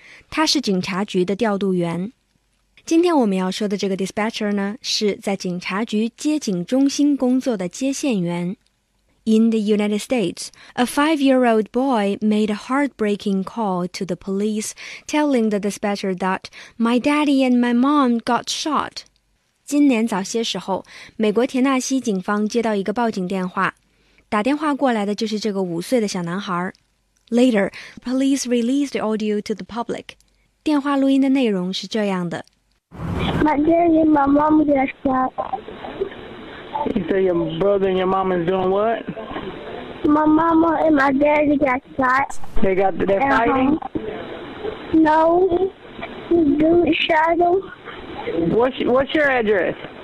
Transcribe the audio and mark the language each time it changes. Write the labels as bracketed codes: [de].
[zh] 他是警察局的调度员。今天我们要说的这个 dispatcher 呢，是在警察局接警中心工作的接线员。 [en] In the United States, a 5-year-old boy made a heartbreaking call to the police, telling the dispatcher that my daddy and my mom got shot. [zh] 今年早些时候，美国田纳西警方接到一个报警电话，打电话过来的就是这个五岁的小男孩。 [en] Later, police released the audio to the public. [zh] 电话录音的内容是这样的。 [en] My daddy and my mom got shot. You say your brother and your mom is doing what? My mama and my daddy got shot. They're fighting? No. The dude shot them. What's your address?